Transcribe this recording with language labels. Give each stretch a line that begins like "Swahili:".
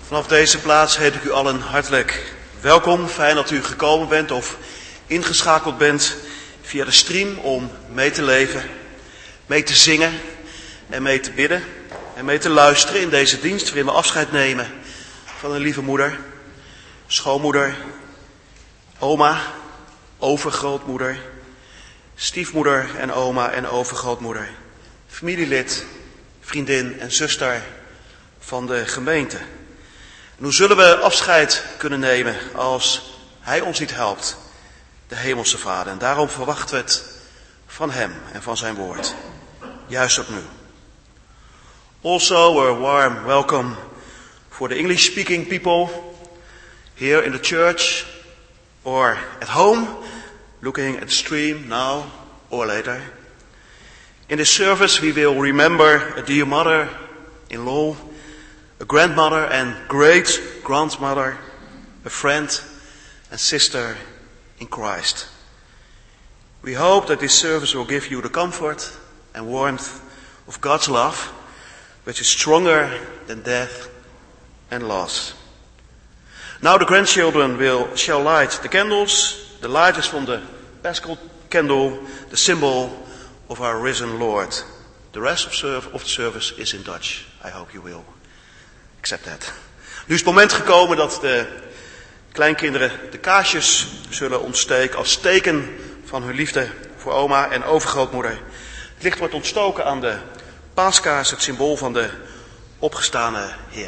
Dutch: Deze plaats heet ik u allen hartelijk welkom. Fijn dat u gekomen bent of ingeschakeld bent via de stream om mee te leven, mee te zingen en mee te bidden en mee te luisteren in deze dienst waarin we afscheid nemen van een lieve moeder, schoonmoeder, oma, overgrootmoeder, stiefmoeder en oma en overgrootmoeder, familielid, vriendin en zuster van de gemeente. Hoe zullen we afscheid kunnen nemen als Hij ons niet helpt, de Hemelse Vader? En daarom verwachten we het van Hem en van Zijn woord, juist ook nu.
English: Also a warm welcome for the English-speaking people here in the church or at home, looking at the stream now or later. In this service we will remember a dear mother-in-law, a grandmother and great-grandmother, a friend and sister in Christ. We hope that this service will give you the comfort and warmth of God's love, which is stronger than death and loss. Now the grandchildren shall light the candles. The light is from the Paschal candle, the symbol of our risen Lord. The rest of the service is in Dutch. I hope you will. Accept that.
Dutch: Nu is het moment gekomen dat de kleinkinderen de kaarsjes zullen ontsteken als teken van hun liefde voor oma en overgrootmoeder. Het licht wordt ontstoken aan de paaskaars, het symbool van de opgestane Heer.